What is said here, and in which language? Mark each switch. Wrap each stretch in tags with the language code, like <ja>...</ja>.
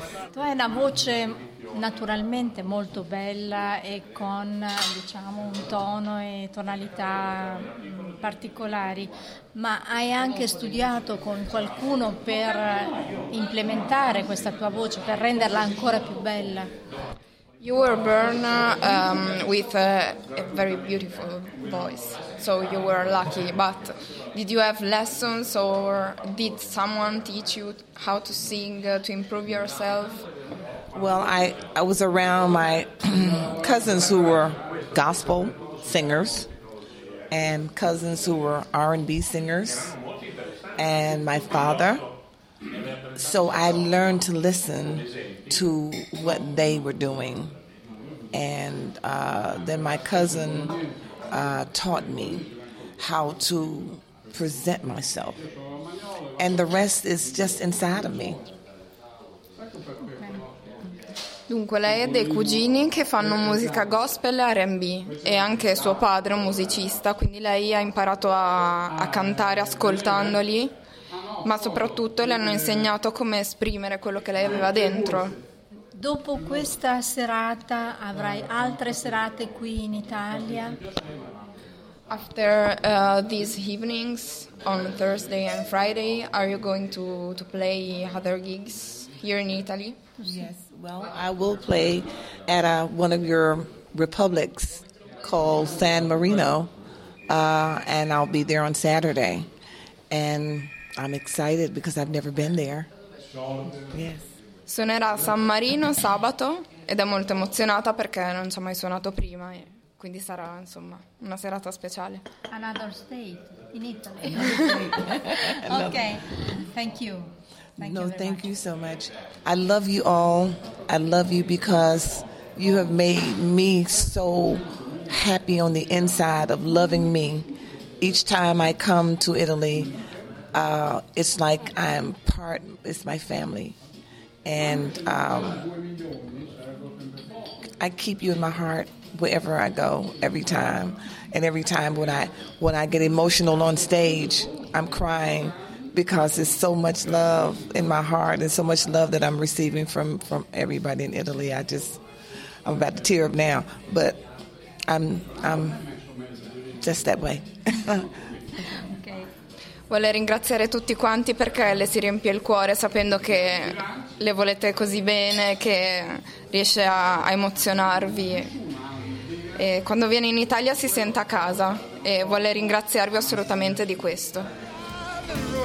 <it>Tu hai una voce naturalmente molto bella e con, diciamo, un tono e tonalità particolari, ma hai anche studiato con qualcuno per implementare questa tua voce, per renderla ancora più bella?</it> <en>You were born with a very beautiful voice, so you were lucky. But did you have lessons, or did someone teach you how to sing to improve yourself? Well, I was around my cousins who were gospel singers and cousins who were R&B singers and my father. So I learned to listen to what they were doing. And then my cousin taught me how to present myself. And the rest is just inside of me.</en> <it>Dunque, lei ha dei cugini che fanno musica gospel e R&B, e anche suo padre è un musicista, quindi lei ha imparato a cantare ascoltandoli, ma soprattutto le hanno insegnato come esprimere quello che lei aveva dentro. Dopo questa serata avrai altre serate qui in Italia?</it> <en>After these evenings on Thursday and Friday, are you going to play other gigs here in Italy? Yes. Well, I will play at one of your republics called San Marino, and I'll be there on Saturday. And I'm excited because I've never been there. Yes.</en> <it>Suonerà a San Marino sabato ed è molto emozionata perché non ci ha mai suonato prima, e quindi sarà, insomma, una serata speciale.</it> <en>Another state in Italy. Okay. Thank you. Thank you so much. I love you all. I love you because you have made me so happy on the inside of loving me. Each time I come to Italy, it's like I'm part, it's my family. And I keep you in my heart wherever I go, every time. And every time when I get emotional on stage, I'm crying. Because there's so much love in my heart and so much love that I'm receiving from everybody in Italy. I'm about to tear up now, but I'm just that way. Okay.</en> <it>Vuole ringraziare tutti quanti perché le si riempie il cuore sapendo che le volete così bene, che riesce a emozionarvi. E quando viene in Italia si sente a casa e vuole ringraziarvi assolutamente di questo.</it>